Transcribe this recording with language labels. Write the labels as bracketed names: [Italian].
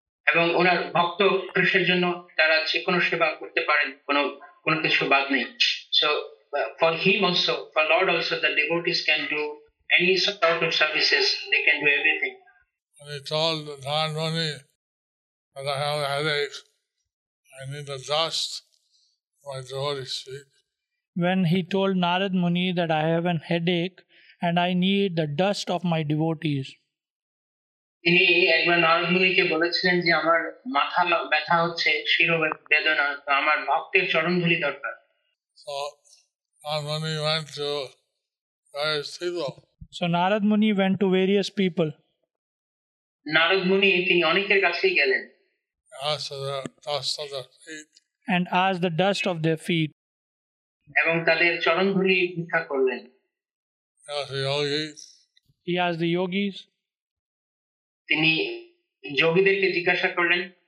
[Bangla] এবং ওনার ভক্ত কৃষ্ণের জন্য তারা যে কোনো সেবা করতে পারেন, কোনো কিছু বাদ নেই। [English] So for him also, for Lord also, the devotees can do any sort of services, they can do everything. And he told Dhanmani that I have a headache, I need the dust for my devotee's feet. When he told Narad Muni that I have a headache and I need the dust of my devotees. [Bangla] তিনি একবার নারদমুনিকে বলেছিলেন যে আমার মাথা ব্যথা হচ্ছে, শির বেদনা, তো আমার ভক্তের চরণধুলি দরকার। [English] So Narad Muni went to various people. So Narad Muni went to various people. [Bangla] Narad Muni তিনি অনেকের কাছেই গেলেন। [English] Asked the dust of their feet. And asked the dust of their feet. [Bangla] এবং তাদের চরণধুলি ভিক্ষা করলেন। [English] He asked the yogis. [Bangla] তিনি যোগীদেরকে জিজ্ঞাসা করলেন,